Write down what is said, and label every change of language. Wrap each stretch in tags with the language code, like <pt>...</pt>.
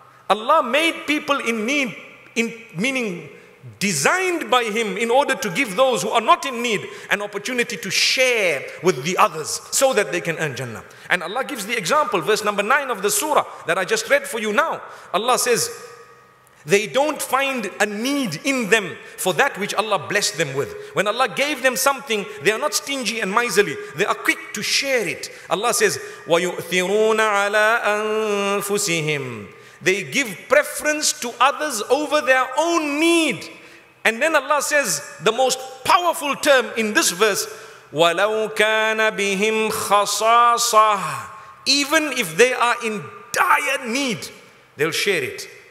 <en>Allah made people in need, in meaning designed by Him in order to give those who are not in need an opportunity to share with the others so that they can earn Jannah. And Allah gives the example, verse number 9 of the surah that I just read for you now. Allah says, they don't find a need in them for that which Allah blessed them with. When Allah gave them something, they are not stingy and miserly. They are quick to share it. Allah says,</en> <ar>وَيُؤْثِرُونَ عَلَىٰ أَنفُسِهِمْ.</ar> <en>They give preference to others over their own need. And then Allah says the most powerful term in this verse,</en> <ar>وَلَوْ كَانَ بِهِمْ خَصَاصَةٌ.</ar> <en>Even if they are in dire need, they'll share it.</en>